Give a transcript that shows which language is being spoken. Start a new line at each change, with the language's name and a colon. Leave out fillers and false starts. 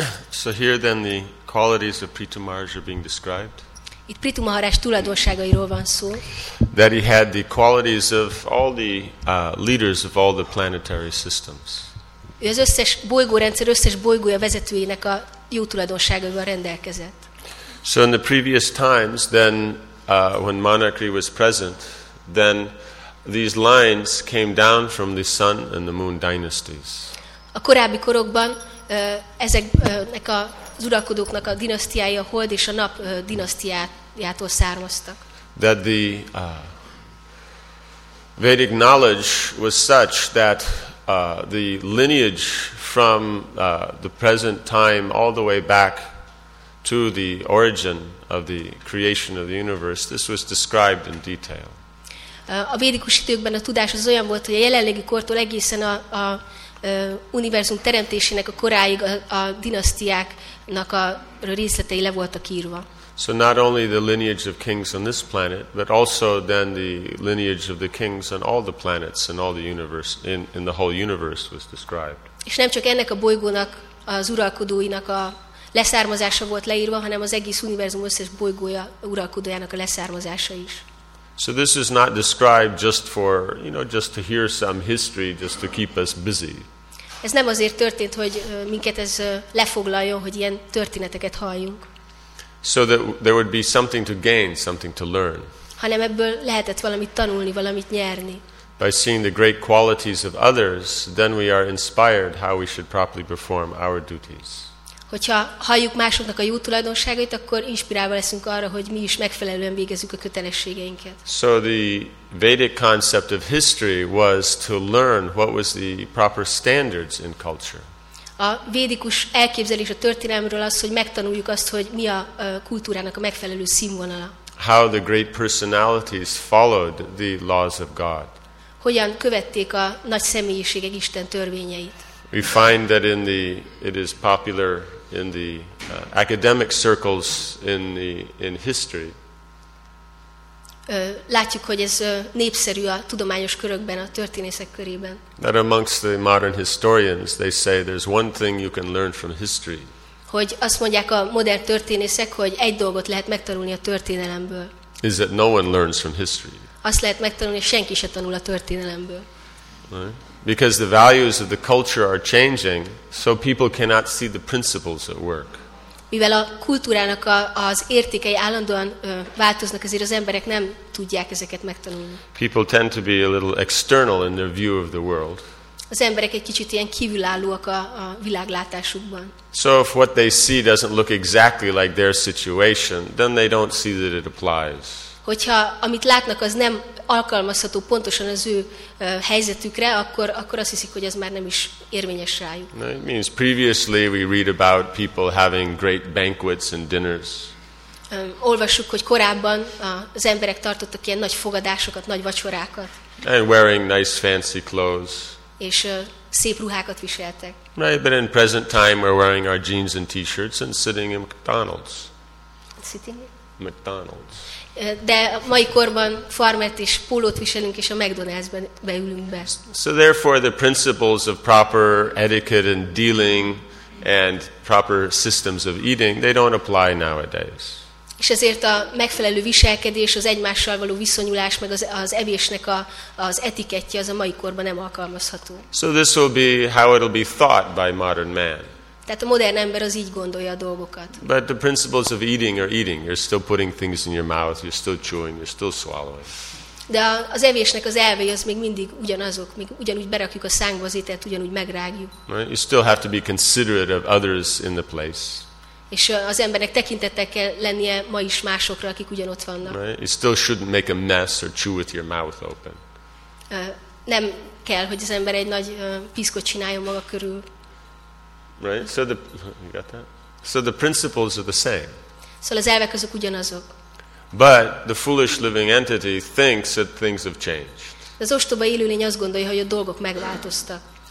English: So here then the qualities of Prithu Maharaj are being described.
Hungarian: Itt Prithu Maharaj tulajdonságairól van szó.
English: That he had the qualities of all the leaders of all the planetary systems.
Hungarian: Ő az összes bolygórendszer összes bolygója vezetőjének a jó tulajdonságaival rendelkezett.
English: So in the previous times, then when monarchy was present, then these lines came down from the sun and the moon dynasties.
Hungarian: A korábbi korokban ezeknek a az uralkodóknak a dinasztiája a Hold és a Nap dinasztiájától származtak.
English: That the Vedic knowledge was such that the lineage from the present time all the way back to the origin of the creation of the universe, this was described in detail.
Hungarian: A védikus időkben a tudás az olyan volt, hogy a jelenlegi kortól egészen a univerzum teremtésének a koráig a dinasztiáknak a részletei le voltak írva.
English: So not only the lineage of kings on this planet, but also then the lineage of the kings on all the planets and all the universe in the whole universe was described.
Hungarian: És nem csak ennek a bolygónak az uralkodóinak a leszármazása volt leírva, hanem az egész univerzum összes bolygója uralkodójának a leszármazása is.
English: So this is not described just for, you know, just to hear some history, just to keep us busy.
Hungarian: Ez nem azért történt, hogy minket ez lefoglaljon, hogy ilyen történeteket halljunk.
English: So that there would be something to gain, something to learn.
Hungarian: Hanem ebből lehetett valamit tanulni, valamit nyerni.
English: By seeing the great qualities of others, then we are inspired how we should properly perform our duties.
Hungarian: Hogyha halljuk másoknak a jó tulajdonságait, akkor inspirálva leszünk arra, hogy mi is megfelelően végezzük a kötelességeinket.
English: So the Vedic concept of history was to learn what was the proper standards in culture.
Hungarian: A védikus elképzelés a történelmről az, hogy megtanuljuk azt, hogy mi a kultúrának a megfelelő színvonala.
English: How the great personalities followed the laws of God.
Hungarian: Hogyan követték a nagy személyiségek Isten törvényeit.
English: We find that in the it is popular in the academic circles in the in history.
Hungarian: Látjuk, hogy ez népszerű a tudományos körökben, a történészek körében.
English: That amongst the modern historians, they say there's one thing you can learn from history.
Hungarian: Hogy azt mondják a modern történészek, hogy egy dolgot lehet megtanulni a történelemből.
English: Is that no one learns from history.
Hungarian: Azt lehet megtanulni, hogy senki se tanul a történelemből.
English: Right? Because the values of the culture are changing, so people cannot see the principles at work.
Hungarian: Mivel a kultúrának az értékei állandóan változnak, ezért az emberek nem tudják ezeket megtanulni.
English: People tend to be a little external in their view of the world.
Hungarian: Az emberek egy kicsit ilyen kívülállóak a világlátásukban.
English: So if what they see doesn't look exactly like their situation, then they don't see that it applies.
Hungarian: Hogyha amit látnak, az nem alkalmazható pontosan az ő helyzetükre, akkor azt hiszik, hogy ez már nem is érvényes rájuk.
English: No, it means previously we read about people having great banquets and dinners.
Hungarian: Olvassuk, hogy korábban az emberek tartottak ilyen nagy fogadásokat, nagy vacsorákat.
English: And wearing nice fancy clothes.
Hungarian: És szép ruhákat viseltek.
English: Right, but in present time we're wearing our jeans and t-shirts and sitting in McDonald's.
Hungarian: McDonald's. De a mai korban farmert és pólót viselünk, és a McDonald's-ben beülünk be.
English: So therefore the principles of proper etiquette and dealing and proper systems of eating, they don't apply nowadays.
Hungarian: És ezért a megfelelő viselkedés, az egymással való viszonyulás, meg az evésnek az etikettje, az a mai korban nem alkalmazható.
English: So this will be how it'll be thought by modern man.
Hungarian: Tehát a modern ember az így gondolja a dolgokat.
English: But the principles of eating are eating. You're still putting things in your mouth, you're still chewing, you're still swallowing.
Hungarian: De az evésnek az elvei az még mindig ugyanazok, még ugyanúgy berakjuk a szánkba az ételt, ugyanúgy megrágjuk.
English: Right? You still have to be considerate of others in the place.
Hungarian: És az embernek tekintettel kell lennie ma is másokra, akik ugyanott vannak.
English: Right? You still shouldn't make a mess or chew with your mouth open.
Hungarian: Nem kell, hogy az ember egy nagy piszkot csináljon maga körül.
English: Right, so the you got that. So the principles are the same.
Hungarian: So az elvek azok ugyanazok.
English: But the foolish living entity thinks that things have changed.
Hungarian: Az ostoba élőlény azt gondolja, hogy a dolgok megváltoztak.